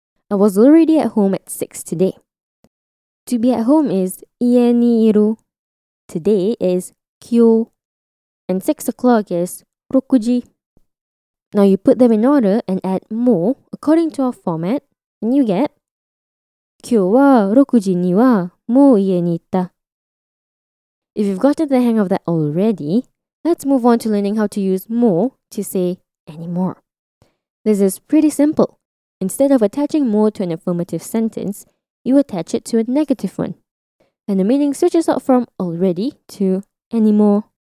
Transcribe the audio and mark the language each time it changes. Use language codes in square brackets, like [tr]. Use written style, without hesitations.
[en] I was already at home at 6 today. To be at home is [ja] 家にいる. [en] Today is 今日.And 6 o'clock is 6時. Now you put them in order and add も according to our format, and you get [ja] 今日は6時にはもう家にいた. [en] If you've gotten the hang of that already, let's move on to learning how to use も to say anymore. This is pretty simple. Instead of attaching mo to an affirmative sentence, you attach it to a negative one. And the meaning switches out from already to anymore.